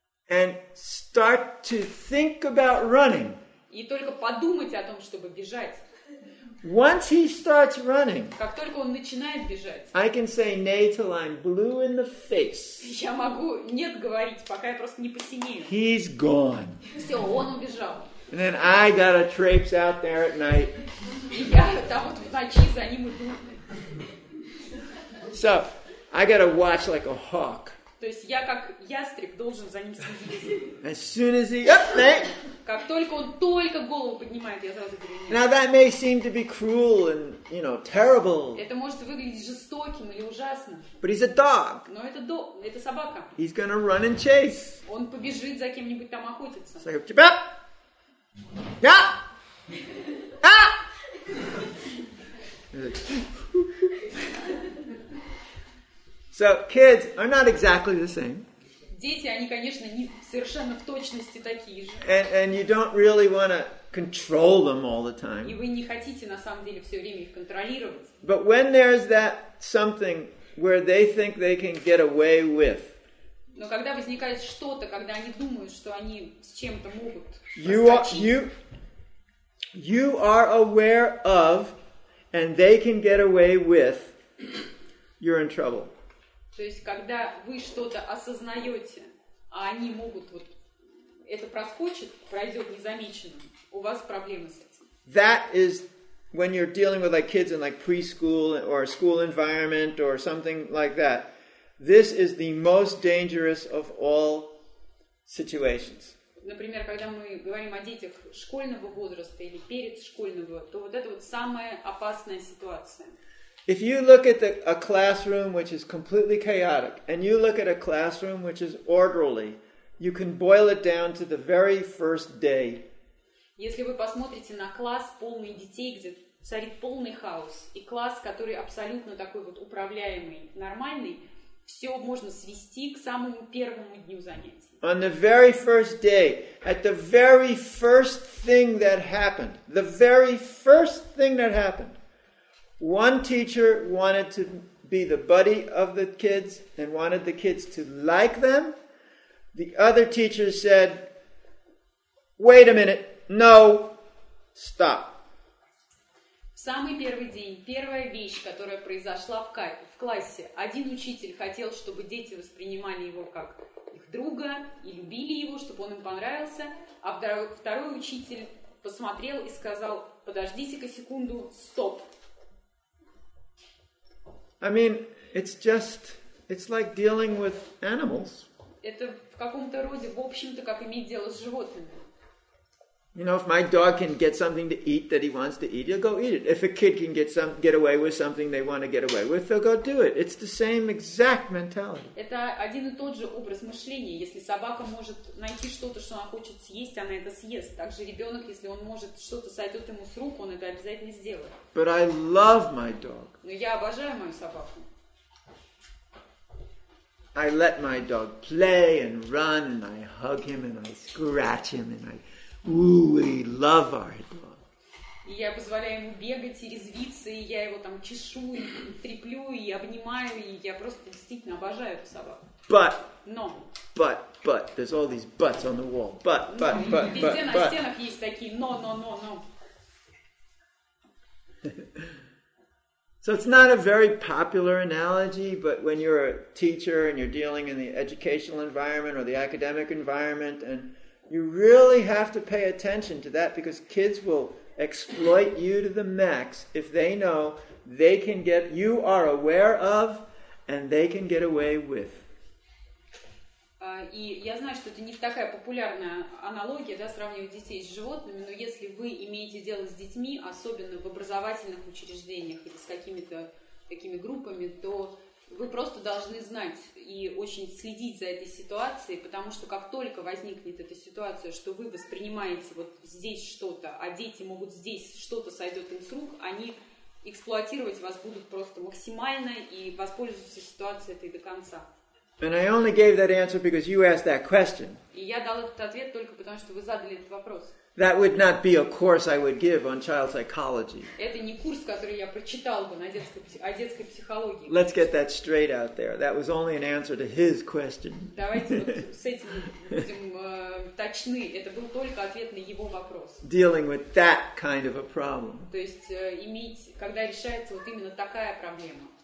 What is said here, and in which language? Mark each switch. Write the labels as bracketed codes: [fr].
[en] and start to think about running, [ru] и только подумать о том, чтобы бежать, [en] once he starts running, [ru] как только он начинает бежать, [en] I can say nay till I'm blue in the face. [ru] Я могу нет говорить, пока я просто не посинею. [en] He's gone. [ru] Все, он убежал. [en] And then I gotta traipse out there at night. [ru] Я там вот в ночи за ним иду. [en] So, I gotta watch like a hawk. [ru] То есть я как ястреб должен за ним следить. [en] As soon as he, up, nay. [ru] Как только он только голову поднимает, я сразу говорю, нет. [en] Now that may seem to be cruel and, you know, terrible. [ru] Это может выглядеть жестоким или ужасным. [en] But he's a dog. [ru] Но это это собака. [en] He's gonna run and chase. [ru] Он побежит за кем-нибудь там охотиться. [en] So, up, up. Yeah. Ah. So kids are not exactly the same. [ru] Дети, они, конечно, не совершенно в точности такие же. [en] And you don't really want to control them all the time. [ru] И вы не хотите на самом деле все время их контролировать. [en] But when there's that something where they think they can get away with. [ru] Но когда возникает что-то, когда они думают, что они с чем-то могут. [en] You are aware of, and they can get away with. You're in trouble. [ru] То есть, когда вы что-то осознаете, а они могут вот это проскочит, пройдет незамеченным, у вас проблемы с этим. [en] That is when you're dealing with like kids in like preschool or school environment or something like that. This is the most dangerous of all situations. [ru] Например, когда мы говорим о детях школьного возраста или перед школьного, то вот это вот самая опасная ситуация. [en] If you look at a classroom which is completely chaotic, and you look at a classroom which is orderly, you can boil it down to the very first day. [ru] Если вы посмотрите на класс полный детей, где царит полный хаос, и класс, который абсолютно такой вот управляемый, нормальный, все можно свести к самому первому дню занятий. [en] On the very first day, at the very first thing that happened, the very first thing that happened, one teacher wanted to be the buddy of the kids and wanted the kids to like them. The other teacher said, wait a minute, no, stop. [ru] В самый первый день, первая вещь, которая произошла в классе, один учитель хотел, чтобы дети воспринимали его как друга и любили его, чтобы он им понравился, а второй учитель посмотрел и сказал: подождите-ка секунду, стоп. [en] I mean, it's like dealing with animals. [ru] Это в каком-то роде, в общем-то, как иметь дело с животными. [en] You know, if my dog can get something to eat that he wants to eat, he'll go eat it. If a kid can get away with something they want to get away with, they'll go do it. It's the same exact mentality. [ru] Это один и тот же образ мышления. Если собака может найти что-то, что она хочет съесть, она это съест. Также ребенок, если он может что-то сойдет ему с рук, он это обязательно сделает. [en] But I love my dog. [ru] Но я обожаю мою собаку. [en] I let my dog play and run, and I hug him and I scratch him and I. Ooh, we love our dog. [ru] И я позволяю ему бегать и резвиться, и я его там чешу, и треплю, и обнимаю, и я просто действительно обожаю эту собаку. [en] But. [ru] Но. [en] But. There's all these buts on the wall. But. [ru] Везде [en] but, [ru] на стенах [en] but. [ru] Есть такие но. [en] So it's not a very popular analogy, but when you're a teacher and you're dealing in the educational environment or the academic environment and you really have to pay attention to that because kids will exploit you to the max if they know they can get, you are aware of, and they can get away with. [ru] И я знаю, что это не такая популярная аналогия, да, сравнивать детей с животными, но если вы имеете дело с детьми, особенно в образовательных учреждениях или с какими-то такими группами, то вы просто должны знать и очень следить за этой ситуацией, потому что как только возникнет эта ситуация, что вы воспринимаете вот здесь что-то, а дети могут здесь что-то сойдет им с рук, они эксплуатировать вас будут просто максимально и воспользуются ситуацией этой до конца. [en] And I only gave that answer because you asked that question. [ru] И я дал этот ответ только потому, что вы задали этот вопрос. [en] That would not be a course I would give on child psychology. [ru] Это не курс, который я прочитал бы на детской психологии. [en] Let's get that straight out there. That was only an answer to his question. [ru] Давайте вот с этим будем точны. Это был только ответ на его вопрос. [en] Dealing with that kind of a problem. [ru] То есть иметь, когда решается вот именно такая проблема.